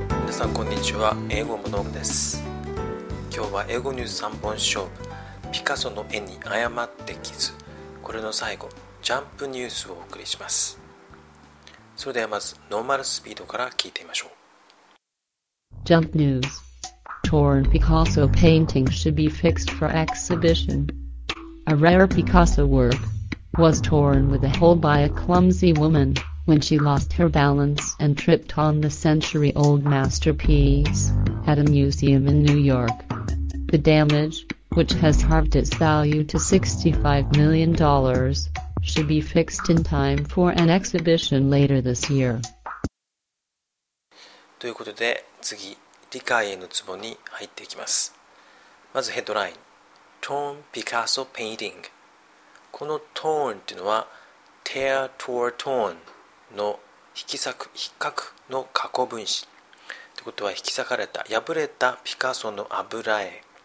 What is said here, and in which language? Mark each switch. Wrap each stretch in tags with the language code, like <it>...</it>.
<ja>さんこんにちは、英語モノログです。今日は英語ニュース3本勝負、ピカソの絵に誤って傷、これの最後、ジャンプニュースをお送りします。それではまずノーマルスピードから聞いてみましょう。ジャンプニュース。</ja> <en>Torn Picasso painting should be fixed for exhibition. A rare Picasso work was torn with a hole by a clumsy womanWhen she lost her balance and tripped on the century-old masterpiece at a museum in New York. The damage, which has halved its value to $65 million, should be fixed in time for an exhibition later this year.</en> <ja>ということで、次、理解へのツボに入っていきます。まずヘッドライン、</ja> <en>Torn Picasso Painting。</en> <ja>この Torn っていうのは、</ja> <en>Tear, Tore, Torn。</en> <ja>の引き裂く、引っかくの過去分詞ということは、引き裂かれた、破れたピカソの油絵。</ja>